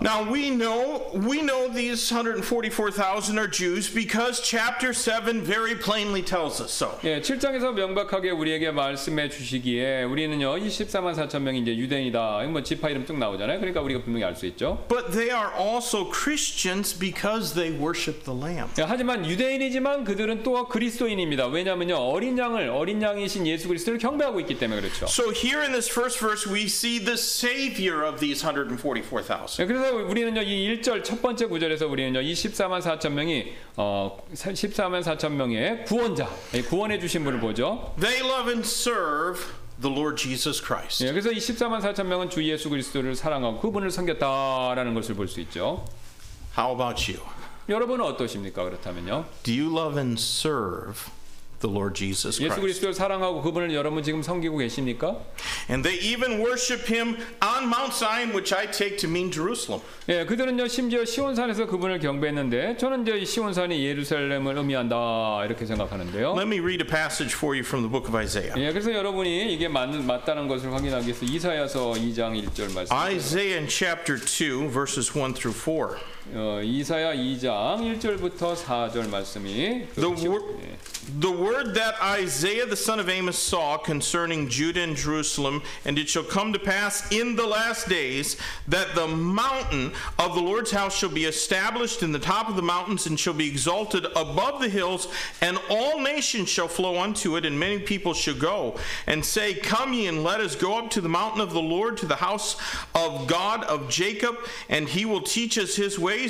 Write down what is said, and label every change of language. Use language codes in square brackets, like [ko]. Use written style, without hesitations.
[en] Now we know these 144,000 are Jews because chapter 7 very plainly tells us so. [ko] 예, 7장에서 명백하게 우리에게 말씀해 주시기에 우리는요 이 14만 4천 명이 이제 유대인이다. 뭐 지파 이름 쭉 나오잖아요. 그러니까 우리가 분명히 알 수 있죠. [en] But they are also Christians because they worship the Lamb. [ko] 예, 하지만 유대인이지만 그들은 또 그리스도인입니다. 왜냐하면요 어린 양을 어린 양이신 예수 그리스도를 경배하고 있기 때문에 그렇죠. [en] So here in this first verse, we see the Savior of these 144,000. [ko] 그래서 우리는요 이 1절 첫 번째 구절에서 우리는요 이 14만 4천 명이 14만 4천 명의 구원자, 구원해 주신 분을 보죠. [en] They love and serve the Lord Jesus Christ. [ko] 그래서 이 14만 4천 명은 주 예수 그리스도를 사랑하고 그분을 섬겼다라는 것을 볼 수 있죠. [en] How about you? [ko] 여러분은 어떠십니까? 그렇다면요. [en] Do you love and serve the Lord Jesus Christ? [ko] 예수 그리스도를 사랑하고 그분을 여러분 지금 섬기고 계십니까? [en] And they even worship him on Mount Zion, which I take to mean Jerusalem. [ko] 예, 그들은요 심지어 시온산에서 그분을 경배했는데 저는 이제 시온산이 예루살렘을 의미한다 이렇게 생각하는데요. [en] Let me read a passage for you from the book of Isaiah. [ko] 예, 그래서 여러분이 이게 맞다는 것을 확인하기 위해서 이사야서 2장 1절 말씀. [en] Isaiah in chapter 2 verses 1 through 4. [ko] 이사야 2장 1절부터 4절 말씀이 [en] The word that Isaiah the son of Amos saw concerning Judah and Jerusalem, and it shall come to pass in the last days that the mountain of the Lord's house shall be established in the top of the mountains and shall be exalted above the hills, and all nations shall flow unto it, and many people shall go and say, Come ye and let us go up to the mountain of the Lord, to the house of God of Jacob, and he will teach us his way.